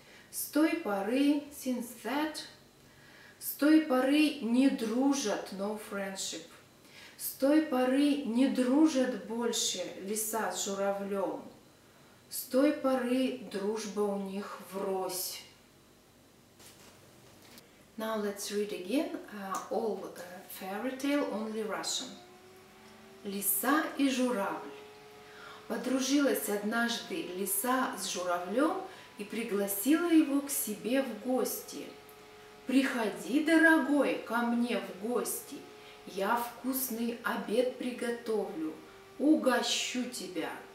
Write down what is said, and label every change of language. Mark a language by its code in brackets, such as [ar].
[ru] С той поры, [en] since that, [ru] с той поры не дружат, [en] no friendship. [ru] С той поры не дружат больше лиса с журавлем. С той поры дружба у них врозь. [en] Now let's read again all the fairy tale, only Russian. [ru] Лиса и журавль. Подружилась однажды лиса с журавлем и пригласила его к себе в гости. Приходи, дорогой, ко мне в гости. Я вкусный обед приготовлю, угощу тебя.